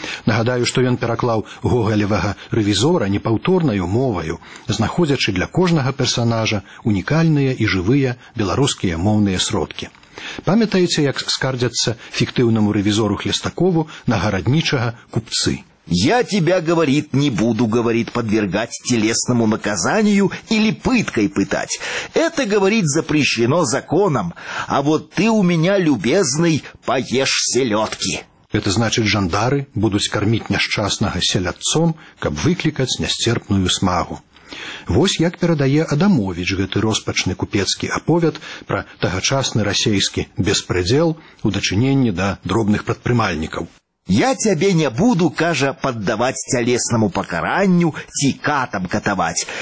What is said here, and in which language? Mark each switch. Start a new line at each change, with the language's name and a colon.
Belarusian: Нагадаю, што ён пераклаў гогалевага рэвізора непаўторнаю моваю, знаходзячы для кожнага персанажа унікальныя і жывыя беларускія моўныя сродкі. Памятаеце, як скардзяцца фіктыўнаму рэвізору Хлестакову на гараднічага купцы?
Russian: «Я тебя, — говорит, — не буду, — говорит, — подвергать телесному наказанию или пыткой пытать. Это, — говорит, — запрещено законом. А вот ты у меня, любезный, поешь селедки». Это значит, жандары будут кормить несчастного селядцом,
Belarusian: каб выкликать нестерпную смагу. Вось як перадае Адамович гэты роспачны купецкі аповяд пра тагачасны расейскі беспрэдзел у дачыненні да дробных прадпрымальнікаў. «Я тебе не буду, — кажа, — поддавать телесному покаранню, ці катам катаваць.